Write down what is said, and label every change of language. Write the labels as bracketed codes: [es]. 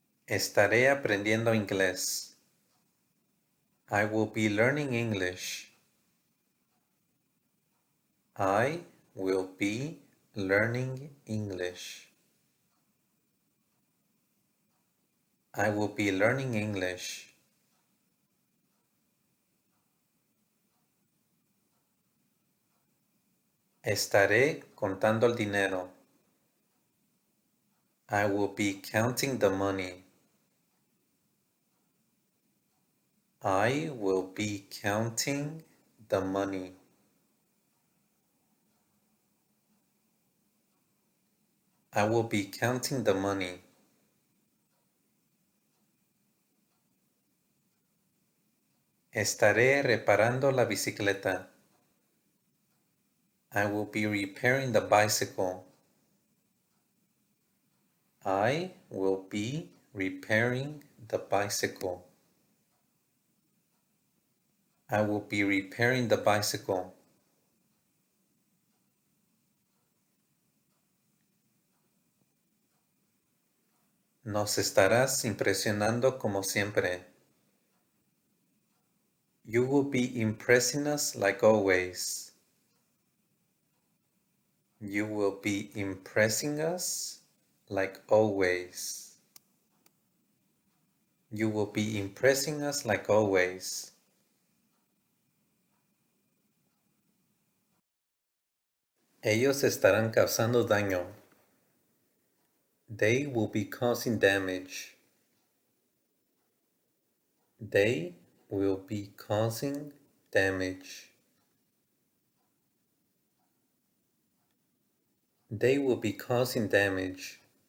[es] Estaré aprendiendo inglés. [en] I will be learning English. I will be learning English. I will be learning English. [es] Estaré contando el dinero. [en] I will be counting the money. I will be counting the money. I will be counting the money. [es] Estaré reparando la bicicleta. [en] I will be repairing the bicycle. I will be repairing the bicycle. I will be repairing the bicycle. [es] Nos estarás impresionando como siempre. [en] You will be impressing us like always. You will be impressing us like always. You will be impressing us like always. [es] Ellos estarán causando daño. [en] They will be causing damage. They will be causing damage. They will be causing damage.